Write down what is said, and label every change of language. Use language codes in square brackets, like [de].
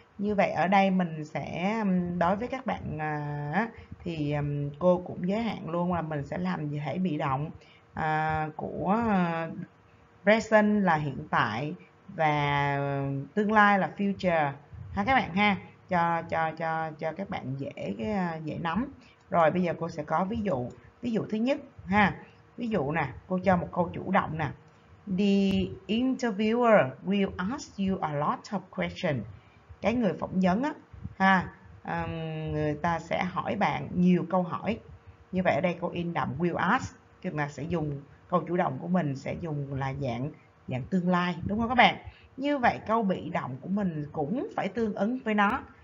[vi] Như vậy ở đây mình sẽ đối với các bạn thì cô cũng giới hạn luôn là mình sẽ làm thể bị động của present là hiện tại và tương lai là future ha các bạn ha, cho các bạn dễ nắm. Rồi bây giờ cô sẽ có ví dụ thứ nhất ha. Ví dụ nè, cô cho một câu chủ động nè. [en] The interviewer will ask you a lot of questions. [vi] Cái người phỏng vấn á ha, người ta sẽ hỏi bạn nhiều câu hỏi. Như vậy ở đây cô in đậm will ask, tức là sẽ dùng câu chủ động của mình sẽ dùng là dạng tương lai, đúng không các bạn? Như vậy câu bị động của mình cũng phải tương ứng với nó.